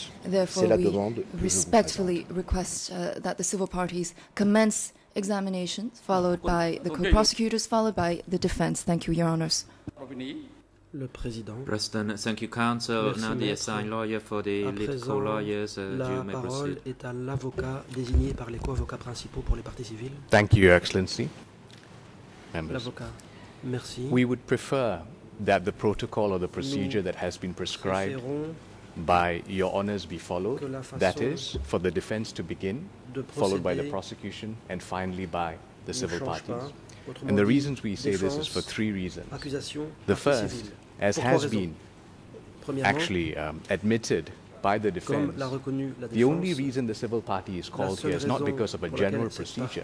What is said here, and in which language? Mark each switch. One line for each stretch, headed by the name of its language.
English: Therefore, we respectfully request that the civil parties commence examinations, followed by the co-prosecutors, followed by the defense. Thank you, Your Honours.
French: Le président.
English: President, thank you, counsel.
French: Merci,
English: now the assigned lawyer for the lead co-lawyers.
French: La parole est à l'avocat désigné par les co-avocats principaux pour les parties civiles.
English: Thank you, Your Excellency. Members.
French: L'avocat. Merci.
English: We would prefer that the protocol or the procedure that has been prescribed by Your Honours be followed. That is, for the defence to begin, followed by the prosecution, and finally by the civil parties. And the reasons we say this is for three reasons. The first, as has been actually admitted by the defense, the only reason the civil party is called here is not because of a general procedure.